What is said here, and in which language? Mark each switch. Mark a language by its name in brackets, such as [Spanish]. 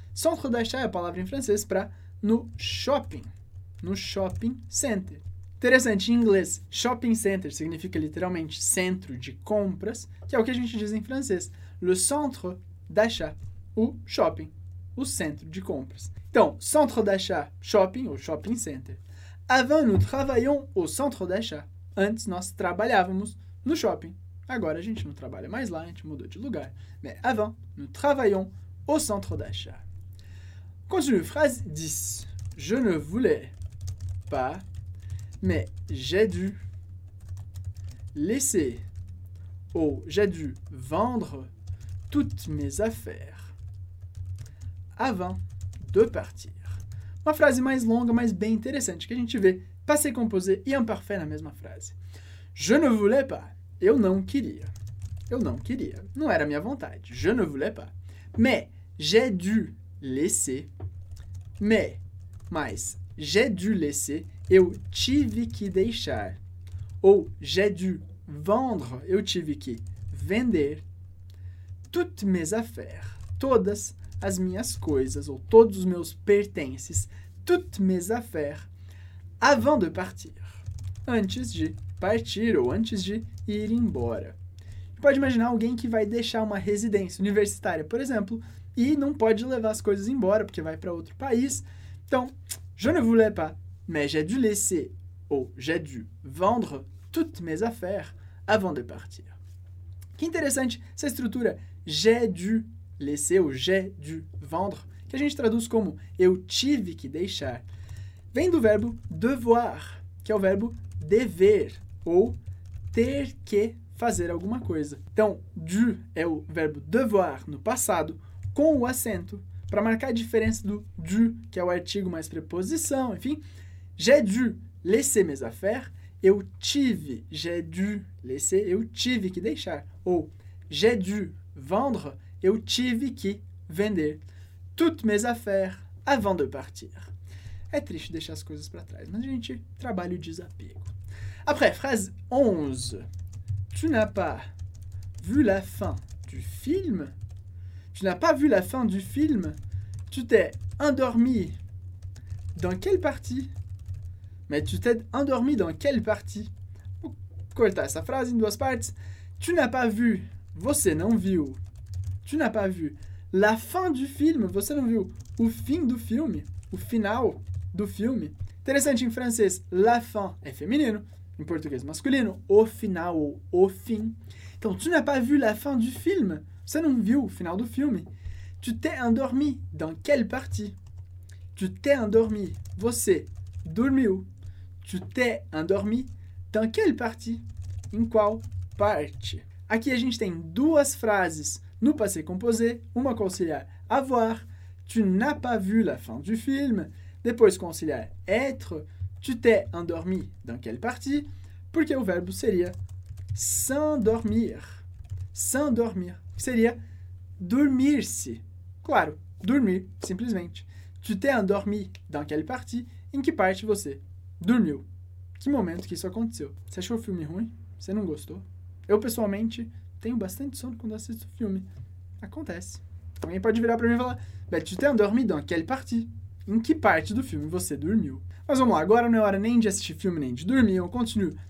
[Portuguese] Centre d'achat é a palavra em francês para no shopping, no shopping center. Interessante, em inglês, shopping center significa literalmente centro de compras, que é o que a gente diz em francês, le centre d'achat, o shopping, o centro de compras. Então, centre d'achat, shopping ou shopping center. [French] Avant, nous travaillons au centre d'achat. [Portuguese] Antes, nós trabalhávamos no shopping. Agora, a gente não trabalha mais lá, a gente mudou de lugar. [French] Mais avant, nous travaillons au centre d'achat. Continue, phrase 10. Je ne voulais pas, mais j'ai dû laisser ou j'ai dû vendre toutes mes affaires avant de partir. [Portuguese] Uma frase mais longa, mas bem interessante, que a gente vê passé composé e imparfait na mesma frase. [French] Je ne voulais pas. [Portuguese] Eu não queria. Eu não queria. Não era minha vontade. Je ne voulais pas. [French] Mais j'ai dû laisser. [Portuguese] Mas, [French] j'ai dû laisser, [Portuguese] eu tive que deixar. Ou, [French] j'ai dû vendre, [Portuguese] eu tive que vender. [French] Toutes mes affaires, [Portuguese] todas as minhas coisas, ou todos os meus pertences, [French] toutes mes affaires, avant de partir. [Portuguese] Antes de partir, ou antes de ir embora. Pode imaginar alguém que vai deixar uma residência universitária, por exemplo, e não pode levar as coisas embora, porque vai para outro país. [French] Então, je ne voulais pas, mais j'ai dû laisser, ou j'ai dû vendre toutes mes affaires avant de partir. [Portuguese] Que interessante essa estrutura, [French] j'ai dû laisser, ou j'ai dû vendre, [Portuguese] que a gente traduz como eu tive que deixar. Vem do verbo devoir, que é o verbo dever, ou ter que fazer alguma coisa. Então, dû é o verbo devoir no passado, com o acento, para marcar a diferença do dû, que é o artigo mais preposição, enfim. [French] J'ai dû laisser mes affaires, [Portuguese] eu tive, [French] j'ai dû laisser, [Portuguese] eu tive que deixar. [French] Ou j'ai dû vendre, [Portuguese] eu tive que vender [French] toutes mes affaires avant de partir. [Portuguese] É triste deixar as coisas para trás, mas a gente trabalha o desapego. [French] Après, phrase 11. Tu n'as pas vu la fin du film? Tu n'as pas vu la fin du film? Tu t'es endormi dans quelle partie Mais tu t'es endormi dans quelle partie? Qu'est-ce que sa phrase in duas parts? Tu n'as pas vu, [Portuguese] você não viu. [French] Tu n'as pas vu la fin du film, você não viu. [Portuguese] O fim do filme, o final do filme. Interessante, em francês, la fin é feminino. Em português, masculino, o final ou o fim. [French] Então, tu n'as pas vu la fin du film. [Portuguese] Você não viu o final do filme. [French] Tu t'es endormi dans quelle partie? Tu t'es endormi. [Portuguese] Você dormiu. [French] Tu t'es endormi dans quelle partie? [Portuguese] Em qual parte? Aqui a gente tem duas frases no passé composé. Uma com auxiliar avoir. [French] Tu n'as pas vu la fin du film. [Portuguese] Depois com auxiliar être. [French] Tu t'es endormi dans quelle partie? [Portuguese] Porque o verbo seria s'endormir. S'endormir. Que seria dormir-se. Claro, dormir, simplesmente. [French] Tu t'es endormi dans quelle partie? [Portuguese] Em que parte você dormiu? Que momento que isso aconteceu? Você achou o filme ruim? Você não gostou? Eu, pessoalmente, tenho bastante sono quando assisto filme. Acontece. Alguém pode virar pra mim e falar: Beth, [French] tu t'es endormi dans quelle partie? [Portuguese] Em que parte do filme você dormiu? Mas vamos lá, agora não é hora nem de assistir filme, nem de dormir. Eu continuo.